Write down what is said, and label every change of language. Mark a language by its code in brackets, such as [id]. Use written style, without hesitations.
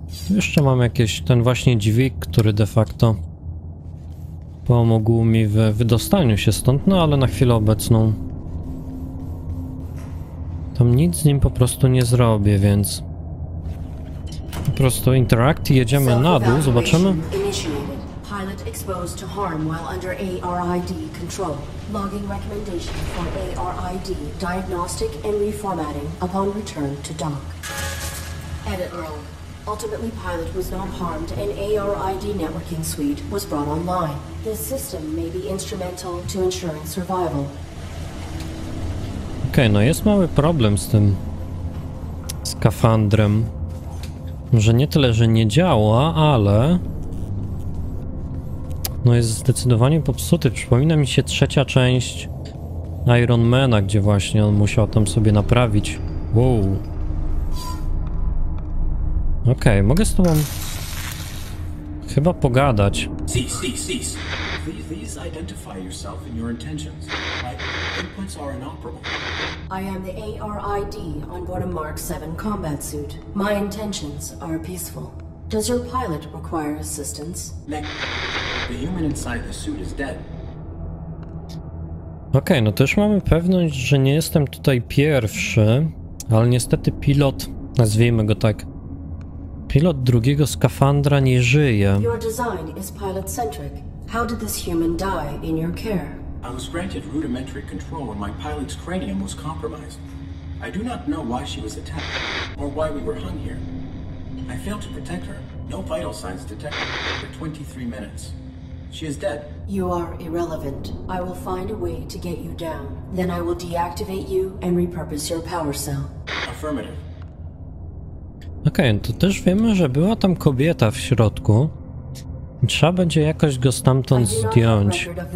[pl] Jeszcze mam jakiś ten właśnie dźwig, który de facto pomógł mi w wydostaniu się stąd, no ale na chwilę obecną tam nic z nim po prostu nie zrobię, więc po prostu interact i jedziemy na dół, zobaczymy. [en] Pilot exposed to harm while under ARID control. Logging recommendation for ARID diagnostic and reformatting upon return to dock. Edit log. Ultimately, pilot was not harmed and ARID networking suite was brought online. This system may be instrumental to ensuring survival. [pl] Okej, okay, no jest mały problem z tym skafandrem, że nie tyle, że nie działa, ale No jest zdecydowanie popsuty. Przypomina mi się trzecia część Iron Mana, gdzie właśnie on musiał tam sobie naprawić. Wow. Okej, mogę z tobą chyba pogadać. [en] Please identify yourself and your intentions. My inputs are inoperable. I am the ARID on board a Mark 7 combat suit. My intentions are peaceful. Does your pilot require assistance? The human inside the suit is dead. [pl] Okej, no też mamy pewność, że nie jestem tutaj pierwszy, ale niestety pilot, nazwijmy go tak, pilot drugiego skafandra nie żyje. [en] Your design is pilot-centric. How did this human die in your care? I was granted rudimentary control when my pilot's cranium was compromised. I do not know why she was attacked, or why we were hung here. I failed to protect her. No vital signs detected for 23 minutes. She is dead. You are irrelevant. I will find a way to get you down. Then I will deactivate you and repurpose your power cell. Affirmative. [pl] Okej, okay, to też wiemy, że była tam kobieta w środku. Trzeba będzie jakoś go stamtąd zdjąć.